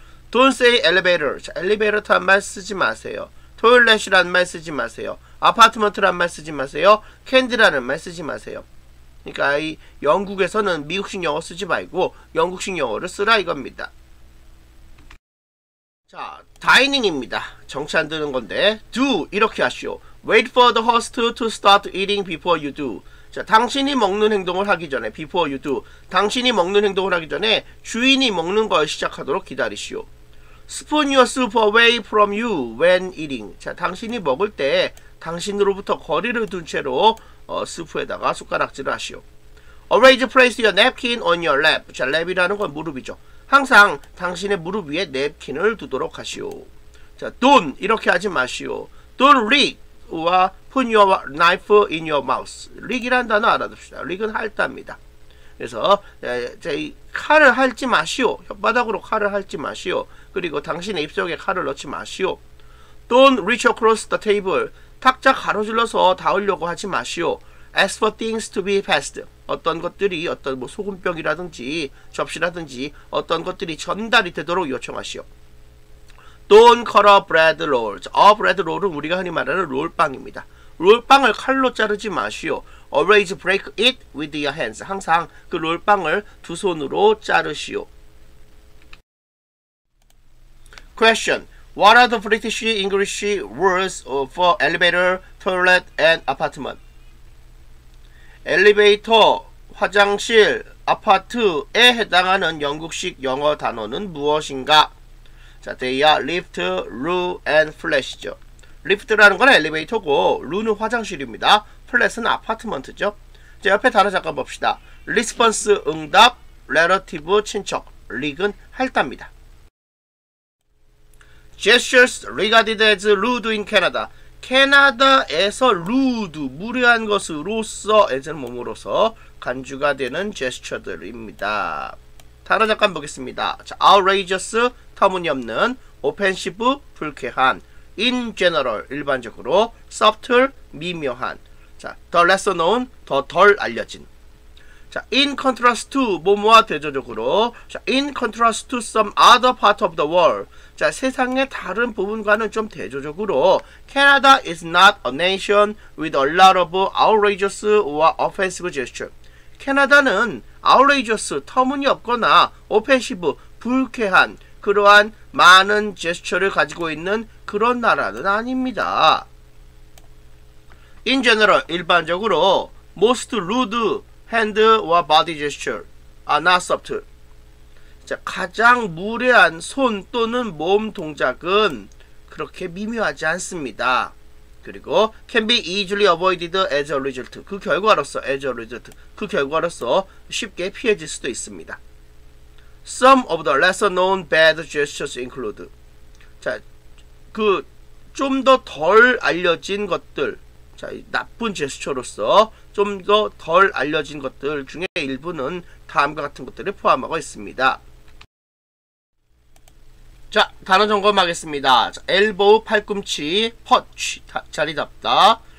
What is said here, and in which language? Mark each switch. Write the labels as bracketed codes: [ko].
[en] Don't say elevator, [ko] 자, elevator 란 말 쓰지 마세요. Toilet이라는 말 쓰지 마세요. Apartment라는 말 쓰지 마세요. Candy라는 말 쓰지 마세요. 그러니까 이 영국에서는 미국식 영어 쓰지 말고 영국식 영어를 쓰라 이겁니다. 자, 다이닝입니다. 정치 안 드는 건데 do 이렇게 하시오. [en] Wait for the host to start eating before you do. [ko] 자, 당신이 먹는 행동을 하기 전에 before you do. 당신이 먹는 행동을 하기 전에 주인이 먹는 걸 시작하도록 기다리시오. [en] Spoon your soup away from you when eating. [ko] 자, 당신이 먹을 때 당신으로부터 거리를 둔 채로 수프에다가 숟가락질을 하시오. [en] Always place your napkin on your lap. 자, [ko] lap이라는 건 무릎이죠. 항상 당신의 무릎 위에 napkin을 두도록 하시오. 자, don't 이렇게 하지 마시오. [en] Don't lick or put your knife in your mouth. [ko] Lick이라는 단어 알아둡시다. Lick은 핥다입니다. 그래서 칼을 핥지 마시오. 혓바닥으로 칼을 핥지 마시오. 그리고 당신의 입속에 칼을 넣지 마시오. [en] Don't reach across the table. [ko] 탁자 가로질러서 닿으려고 하지 마시오. [en] Ask for things to be passed. [ko] 어떤 것들이 어떤 뭐 소금병이라든지 접시라든지 어떤 것들이 전달이 되도록 요청하시오. [en] Don't cut a bread roll. A bread roll은 [ko] 우리가 흔히 말하는 롤빵입니다. 롤빵을 칼로 자르지 마시오. [en] Always break it with your hands. [ko] 항상 그 롤빵을 두 손으로 자르시오. [en] Question. What are the British English words for elevator, toilet, and apartment? [ko] 엘리베이터, 화장실, 아파트에 해당하는 영국식 영어 단어는 무엇인가? [en] 자, they are lift, loo, and flat죠. [ko] lift라는 건 엘리베이터고, loo는 화장실입니다. flat은 아파트먼트죠. 자, 옆에 단어 잠깐 봅시다. response, 응답, relative, 친척, rig은 할답니다. [en] Gestures regarded as rude in Canada. [ko] 캐나다에서 rude, 무례한 것으로서, as는 몸으로서 간주가 되는 gesture들입니다. 단어 잠깐 보겠습니다. 자, outrageous, 터무니없는, offensive, 불쾌한, in general, 일반적으로, subtle, 미묘한. 자, the lesser known, 더 덜 알려진. 자, in contrast to, 뭐뭐와 대조적으로. [en] 자, in contrast to some other part of the world. [ko] 자, 세상의 다른 부분과는 좀 대조적으로. [en] Canada is not a nation with a lot of outrageous or offensive gestures. [ko] 캐나다는 outrageous, 터무니없거나 offensive, 불쾌한, 그러한 많은 제스처를 가지고 있는 그런 나라는 아닙니다. [en] In general, [ko] 일반적으로 [en] most rude hand or body gesture are not subtle. [ko] 자, 가장 무례한 손 또는 몸 동작은 그렇게 미묘하지 않습니다. [en] 그리고 can be easily avoided as a result. [ko] 그 결과로서 [en] as a result. [ko] 그 결과로서 쉽게 피해질 수도 있습니다. [en] Some of the lesser known bad gestures include. [ko] 자, 그 좀 더 덜 알려진 것들. 자, 나쁜 제스처로서 좀 더 덜 알려진 것들 중에 일부는 다음과 같은 것들을 포함하고 있습니다. 자, 단어 점검하겠습니다. 자, 엘보우, 팔꿈치, 펀치, 자리 잡다.